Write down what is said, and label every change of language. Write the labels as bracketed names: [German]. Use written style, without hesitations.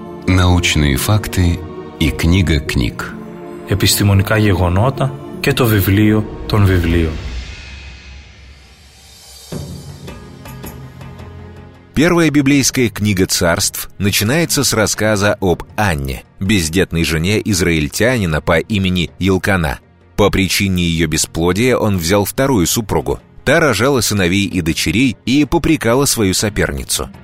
[Russian] Научные факты и книга книг. [Greek] Επιστημονικά γεγονότα και το βιβλίο των βιβλίων. [Russian] Первая библейская книга царств начинается с рассказа об Анне, бездетной жене израильтянина по имени Елкана. По причине ее бесплодия он взял вторую супругу. Та рожала сыновей и дочерей и попрекала свою соперницу.